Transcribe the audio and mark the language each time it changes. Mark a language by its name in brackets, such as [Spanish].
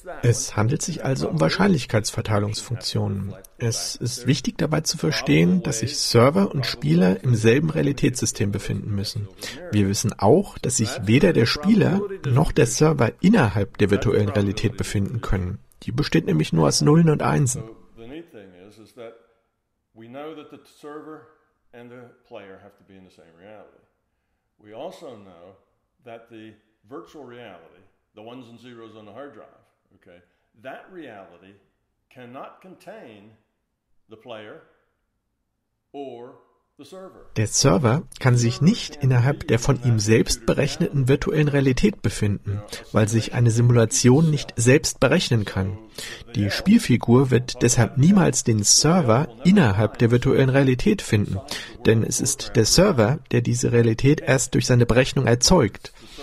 [German] Es handelt sich also um Wahrscheinlichkeitsverteilungsfunktionen. Es ist wichtig dabei zu verstehen, dass sich Server und Spieler im selben Realitätssystem befinden müssen. Wir wissen auch, dass sich weder der Spieler noch der Server innerhalb der virtuellen Realität befinden können. Die besteht nämlich nur aus Nullen und Einsen. [English] The neat thing is that we know that the server and the player have to be in the same reality. We also know that the virtual reality, the ones and zeros on the hard drive, okay, that reality cannot contain the player or the server. [German] Der Server kann sich nicht innerhalb der von ihm selbst berechneten virtuellen Realität befinden, weil sich eine Simulation nicht selbst berechnen kann. Die Spielfigur wird deshalb niemals den Server innerhalb der virtuellen Realität finden, denn es ist der Server, der diese Realität erst durch seine Berechnung erzeugt.